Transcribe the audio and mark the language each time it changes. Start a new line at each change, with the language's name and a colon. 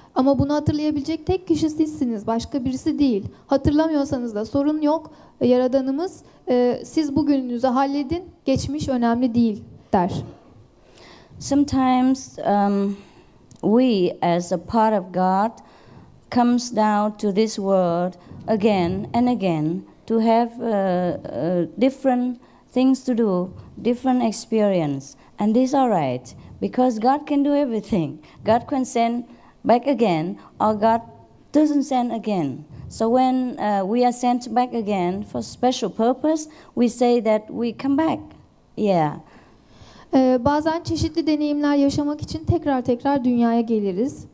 Turkish: Ama bunu hatırlayabilecek tek kişi sizsiniz, başka birisi değil. Hatırlamıyorsanız da sorun yok. Yaradanımız, siz bugününüzü halledin, geçmiş önemli değil der.
English: Sometimes we, as a part of God, comes down to this world again and again to have different things to do, different experience, and this all right because God can do everything. God can send back again, or God doesn't send again. So when we are sent back again for special purpose, we say that we come back. Yeah.
Turkish: Bazen çeşitli deneyimler yaşamak için tekrar tekrar dünyaya geliriz.